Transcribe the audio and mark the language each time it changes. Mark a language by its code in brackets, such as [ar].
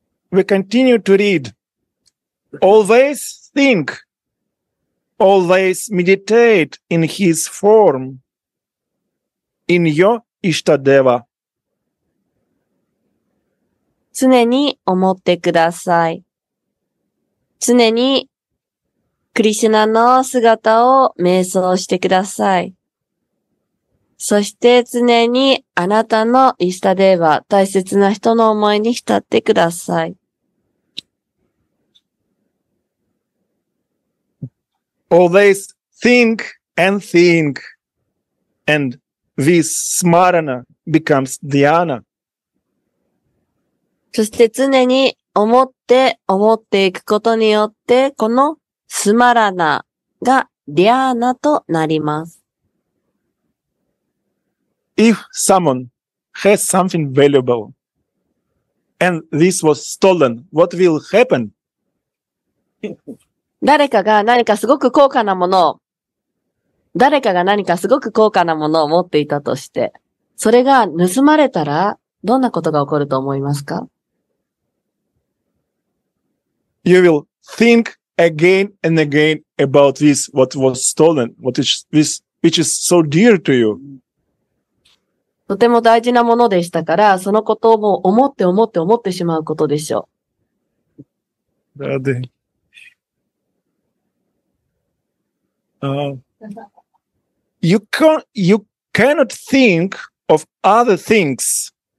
[en] We continue to read. Always think. Always meditate in his form, in your Ishtadeva. [ja] 常に思ってください。常にクリシュナの姿を瞑想してください。そして常にあなたのイスタデーバ、大切な人の思いに浸ってください。 [en] Always think and think, and this smarana becomes dhyana. [ja] そして常に思って思っていくことによって、このスマラナがディアーナとなります。 [en] If someone has something valuable and this was stolen, what will happen? [ja] 誰かが何かすごく高価なものを、誰かが何かすごく高価なものを持っていたとして、それが盗まれたら、どんなことが起こると思いますか？ [en] You will think again and again about this, what was stolen, what is this, which is so dear to you. [ja] とても大事なものでしたから、そのことを思って思って思ってしまうことでしょう。だって。 [en] You cannot think of other things.